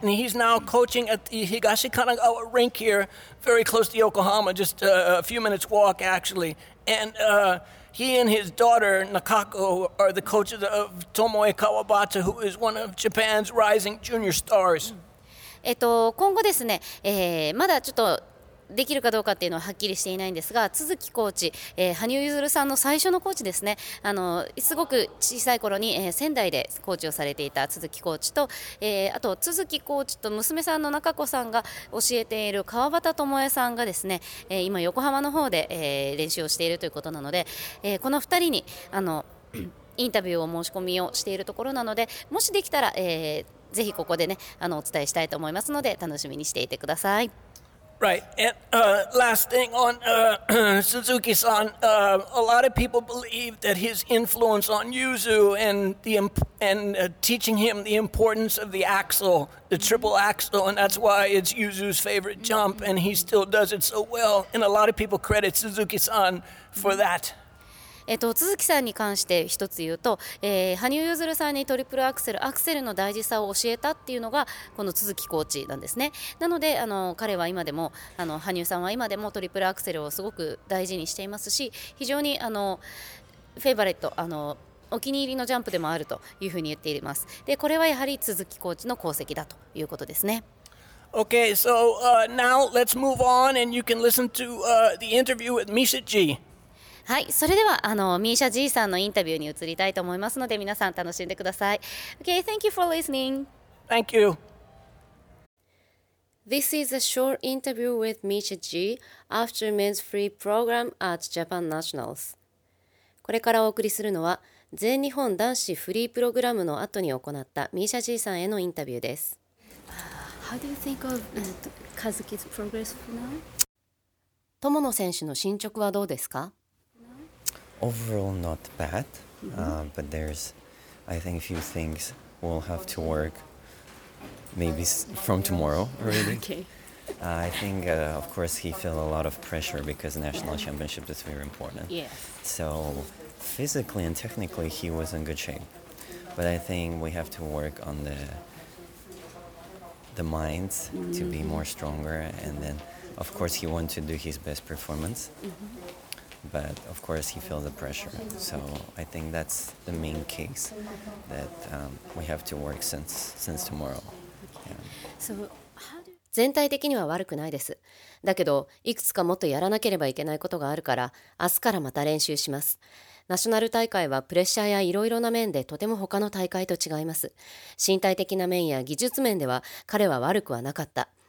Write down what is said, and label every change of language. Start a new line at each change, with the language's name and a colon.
English: And he's now coaching at the Higashi Kanagawa rink here, very close to Yokohama, just a few minutes walk, actually. And he and his daughter, Nakako, are the coaches of Tomoe Kawabata, who is one of Japan's rising junior stars.
Japanese: 今後ですね、まだちょっとできるかどうかっていうのははっきりしていないんですが、都築コーチ、羽生結弦さんの最初のコーチですね、あのすごく小さい頃に、仙台でコーチをされていた都築コーチと、あと都築コーチと娘さんの中子さんが教えている川端智恵さんがですね、今横浜の方で、練習をしているということなので、この2人にあのインタビューを申し込みをしているところなので、もしできたら、ぜひここでね、あのお伝えしたいと思いますので、楽しみにしていてください。
English: Right. And last thing on Suzuki-san, a lot of people believe that his influence on Yuzu and the teaching him the importance of the axel, the triple axel, and that's why it's Yuzu's favorite jump, and he still does it so well. And a lot of people credit Suzuki-san for that.
Japanese: 鈴木さんに関して一つ言うと、羽生結弦さんにトリプルアクセル、アクセルの大事さを教えたっていうのがこの鈴木コーチなんですね。なのであの彼は今でもあの羽生さんは今でもトリプルアクセルをすごく大事にしていますし、非常にあのフェイバレット、あのお気に入りのジャンプでもあるというふうに言っています。でこれはやはり鈴木コーチの功績だということですね。
English: Okay, so now let's move on and you can listen to the interview with Misha G.
Japanese: はい、それではミーシャ G さんのインタビューに移りたいと思いますので皆さん楽しんでください。
English: Okay, thank you for listening. Thank you. This is a short interview with Misha G after men's free program at Japan Nationals.
Japanese: これからお送りするのは全日本男子フリープログラムの後に行ったミーシャ G さんへのインタビューです。
English: How do you think of Kazuki's progress for now?
Japanese: 友野選手の進捗はどうですか?
English: Overall, not bad. But there's, I think, a few things we'll have to work. Maybe from tomorrow, really. Okay. I think, of course, he feel a lot of pressure because national championship is very important. Yes. So physically and technically, he was in good shape. But I think we have to work on the minds to be more stronger, and then of course he wants to do his best performance, but of course he feels the pressure, so I think that's the main case that we have to work since tomorrow. So
Japanese: 全体的には悪くないです。だけどいくつかもっとやらなければいけないことがあるから、明日からまた練習します。ナショナル大会はプレッシャーやいろいろな面でとても他の大会と違います。身体的な面や技術面では彼は悪くはなかった。